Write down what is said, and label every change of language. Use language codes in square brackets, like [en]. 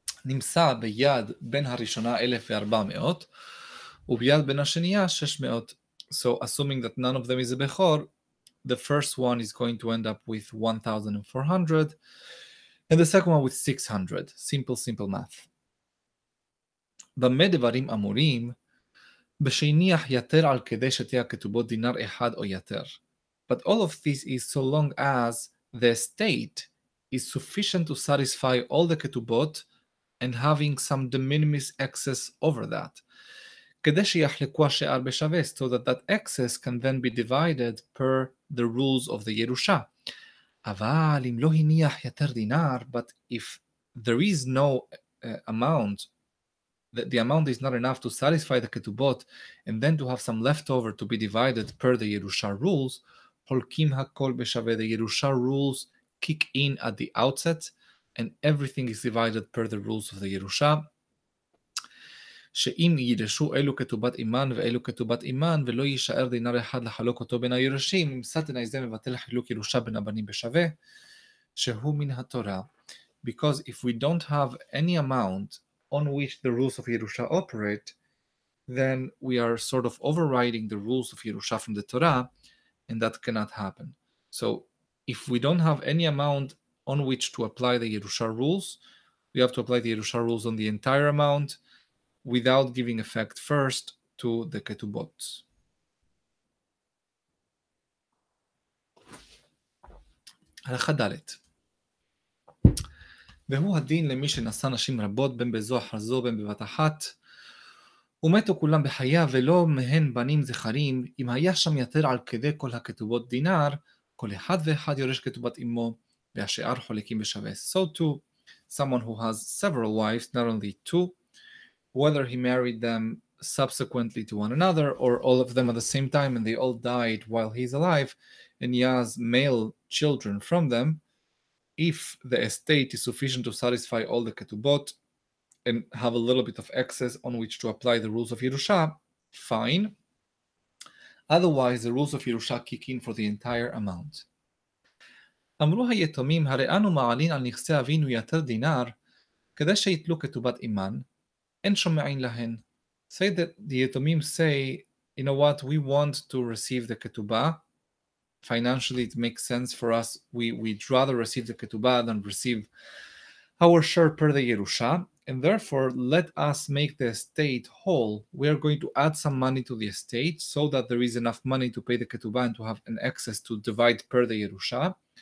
[he] Nimsa b'yad ben harishona 1,400, u'b'yad ben hasheniya 600. [en] So assuming that none of them is a Bechor, the first one is going to end up with 1,400, and the second one with 600. Simple math. [he] במה דברים אמורים? בשניח יותר על כדי שתי הכתובות דינר אחד או יותר. [en] But all of this is so long as the estate is sufficient to satisfy all the ketubot and having some de minimis excess over that. [he] כדי שיחלקו השאר בשווה, [en] so that excess can then be divided per the rules of the Yerusha. [he] אבל אם לא הניח יותר דינר, [en] but if there is no amount, that the amount is not enough to satisfy the ketubot, and then to have some leftover to be divided per the Yerusha rules, [he] חולקים הכל בשווה, [en] the Yerusha rules kick in at the outset, and everything is divided per the rules of the Yerusha. [he] שאם יירשו אלו כתובת אימן ואלו כתובת אימן ולא יישאר דינר אחד לחלוק אותו בין הירושים, אם סתנאי זה מבטל חילוק ירושה בין הבנים בשווה, שהוא מן התורה. [en] Because if we don't have any amount on which the rules of ירושה operate, then we are sort of overriding the rules of ירושה from the Torah, and that cannot happen. So if we don't have any amount on which to apply the ירושה rules, we have to apply the ירושה rules on the entire amount, without giving effect first to the ketubot. [he] Halacha dalet. והוא הדין למי שנשא נשים רבות, בין בזו אחר זו, בין בבת אחת, ומתו כולם בחייה, ולא מהן בנים זכרים, אם היה שם יתר על כדי כל הכתובות דינר, כל אחד ואחד יורש כתובת אמו, והשאר חולקים בשווה. [en] So too, someone who has several wives, not only two, whether he married them subsequently to one another, or all of them at the same time, and they all died while he's alive, and he has male children from them, if the estate is sufficient to satisfy all the ketubot and have a little bit of excess on which to apply the rules of Yerusha, fine. Otherwise, the rules of Yerusha kick in for the entire amount. [he] אמרו היתומים, הרי אנו מעלין על נכסי אבינו יתר דינר, כדי שיתלו כתובת אימן, אין שומעין להן. [en] Say that the יתומים say, you know what, we want to receive the כתובה, financially it makes sense for us, we'd rather receive the כתובה than receive our share per the ירושה, and therefore let us make the estate whole, we are going to add some money to the estate, so that there is enough money to pay the כתובה and to have an excess to divide per the ירושה.